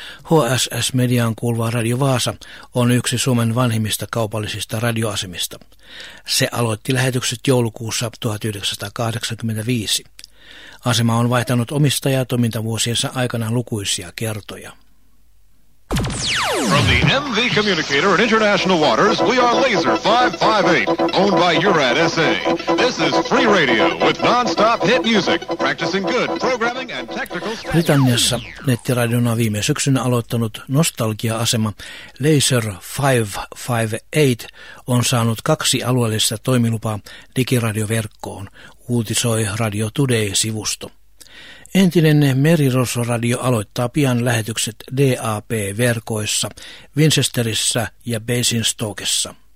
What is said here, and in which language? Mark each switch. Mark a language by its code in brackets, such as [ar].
[fi] HSS-mediaan kuuluva Radio Vaasa on yksi Suomen vanhimmista kaupallisista radioasemista. Se aloitti lähetykset joulukuussa 1985. Asema on vaihtanut omistajaa toimintavuosiensa aikana lukuisia kertoja. [en] From the MV Communicator in International Waters, we are Laser 558, owned by Urad SA. This is free radio with non-stop hit music, practicing good programming and technical strategy. [fi] Britanniassa nettiradiona viime syksynä aloittanut nostalgia-asema Laser 558 on saanut kaksi alueellista toimilupaa digiradioverkkoon, uutisoi Radio Today-sivusto. Entinen Merirosvo-radio aloittaa pian lähetykset DAB-verkoissa, Winchesterissa ja Basingstokessa.